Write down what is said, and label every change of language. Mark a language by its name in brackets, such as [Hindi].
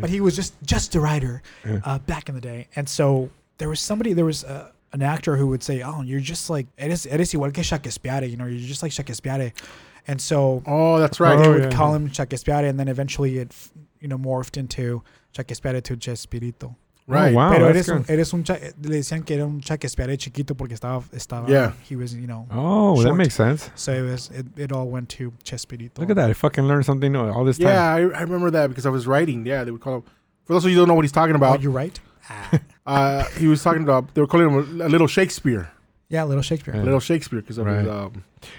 [English] But he was just a writer back in the day. And so there was an actor who would say, oh, you're just like, [Spanish] eres igual que Shakespeare, [English] you know, you're just like Shakespeare. And so. Oh, that's right. They would call him Shakespeare, and then eventually it, you know, morphed into Shakespeare to Chespirito. Right. Oh, wow. [Spanish] Pero le decían que era un Shakespeare chiquito porque estaba. [English] Yeah. He was, you know. Oh, short. That makes sense. So it all went to Chespirito. Look at that. I fucking learned something all this time. Yeah, I remember that because I was writing. Yeah, they would call him. For those of you who don't know what he's talking about. Oh, you write? He was talking about, they were calling him a little Shakespeare. Yeah, a little Shakespeare. A little Shakespeare because of his.